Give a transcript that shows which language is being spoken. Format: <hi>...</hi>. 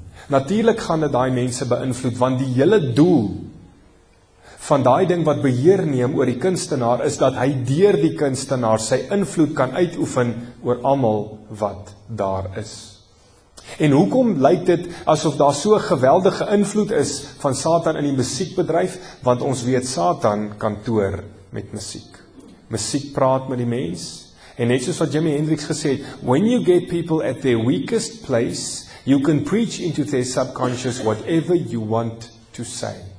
<af>Natuurlik gaan dit daai mense beïnvloed want die hele doel van daai ding wat beheer neem oor die kunstenaar is dat hy deur die kunstenaar sy invloed kan uitoefen oor almal wat daar is. En hoekom lyk dit asof daar so 'n geweldige invloed is van Satan in die musiekbedryf? Want ons weet Satan kan toer met musiek. Musiek praat met die mens. En net soos wat Jimi Hendrix gesê het,</af> <en>when you get people at their weakest place, you can preach into their subconscious whatever you want to say.</en>